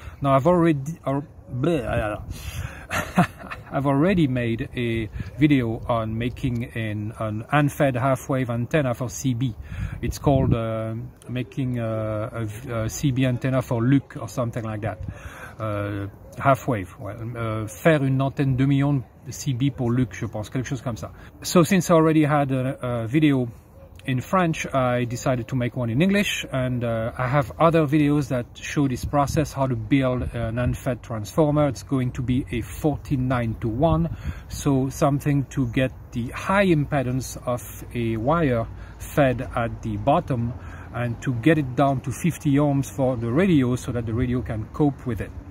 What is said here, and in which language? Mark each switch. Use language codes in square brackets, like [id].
[en] Now, I've already made a video on making an unfed half-wave antenna for CB. It's called making a CB antenna for Luc or something like that. Half-wave. [fr] Well, faire une antenne demi-onde CB pour Luc, je pense, quelque chose comme ça. [en] So since I already had a video in French, I decided to make one in English, and I have other videos that show this process, how to build an unfed transformer. It's going to be a 49:1, so something to get the high impedance of a wire fed at the bottom and to get it down to 50 ohms for the radio so that the radio can cope with it.